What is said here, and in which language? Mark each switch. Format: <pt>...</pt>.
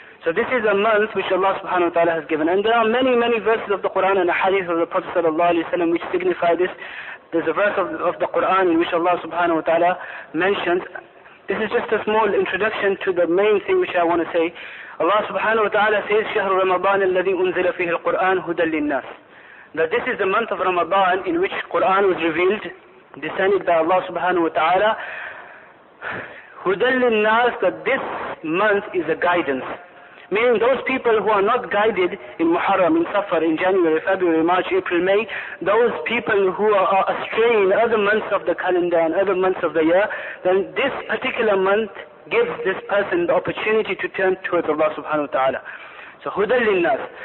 <en>So this is a month which Allah subhanahu wa ta'ala has given. And there are many, many verses of the Qur'an and the hadith of the Prophet sallallahu alayhi wa sallam which signify this. There's a verse of the Qur'an in which Allah subhanahu wa ta'ala mentions. This is just a small introduction to the main thing which I want to say. Allah subhanahu wa ta'ala says,</en> <ar>شَهْرُ رَمَضَانِ الَّذِي أُنزِلَ فِيهِ الْقُرْآنِ هُدًى لِلنَّاسِ.</ar> <en>That this is the month of Ramadan in which Qur'an was revealed, descended by Allah subhanahu wa ta'ala.</en> <ar>هُدًى لِلنَّاسِ,</ar> <en>that this month is a guidance. Meaning those people who are not guided in Muharram, in Safar, in January, February, March, April, May, those people who are astray in other months of the calendar and other months of the year, then this particular month gives this person the opportunity to turn towards Allah subhanahu wa ta'ala. So</en> <ar>hudal linnas.</ar>